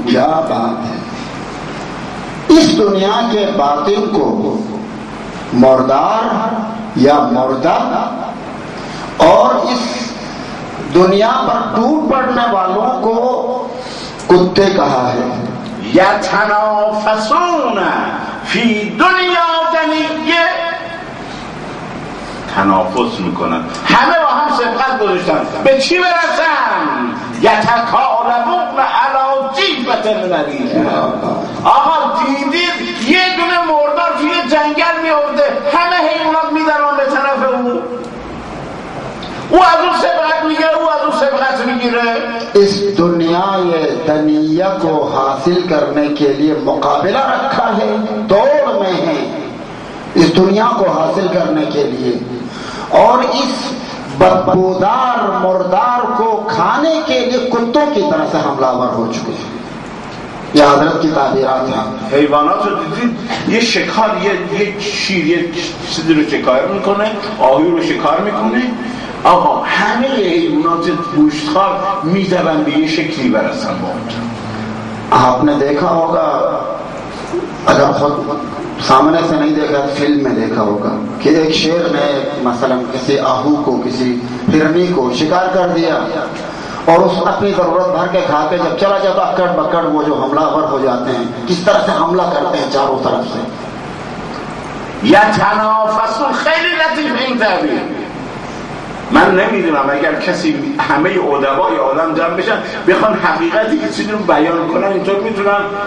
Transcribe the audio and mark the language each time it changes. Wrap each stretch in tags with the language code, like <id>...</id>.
<ur>کیا بات ہے. اس دنیا کے باطن کو مردار یا مردہ اور اس دنیا پر ٹوٹ پڑنے والوں کو کتے کہا ہے.</ur> <ar>یتنافسون فی دنیا دنیه,</ar> <fa>تنافس میکنن همه با هم سبقت گذاشتن به چی برسن.</fa> <ar>یتکاربون علی جیبت المریض,</ar> <fa>آقا دیدید یه دونه مردار توی جنگل میورده همه حیوانات میدارن به طرف او, او از اون سبقت میگه, او از اون سبقت میگیره.</fa> <ur>اس دنیای دنیه کو حاصل کرنے کے لیے مقابلہ رکھا ہے, دوڑ میں ہے اس دنیا کو حاصل کرنے کے لیے, اور اس بدبودار مردار کو کھانے کے لیے کتوں کی طرح سے حملہ آور ہو چکے ہیں. یہ حضرت کی تعبیرات ہیں.</ur> <fa>حیوانات رو دیدید, یہ شکار, یہ شیر, یہ سیدی رو شکار میکنه, آهو رو شکار میکنه. آقا همه حیوانات گوشتخوار میدون به یه شکلی برسن با اونجا.</fa> <ur>آپ نے دیکھا ہوگا, اگر خود سامنے سے نہیں دیکھا فلم میں دیکھا ہوگا کہ ایک شیر نے مثلا کسی آہو کو, کسی ہرنی کو شکار کر دیا اور اس اپنی ضرورت بھر کے کھا کے جب چلا جاتا, اکڑ بکڑ وہ جو حملہ آور ہو جاتے ہیں, کس طرح سے حملہ کرتے ہیں چاروں طرف سے.</ur> <fa>یا تنافسون, خیلی لطیف این تعبیر. من نمیدونم اگر کسی همه ادبای آدم جمع بشن بخوان حقیقتی که چیزی رو بیان کنن اینطور میتونن.</fa>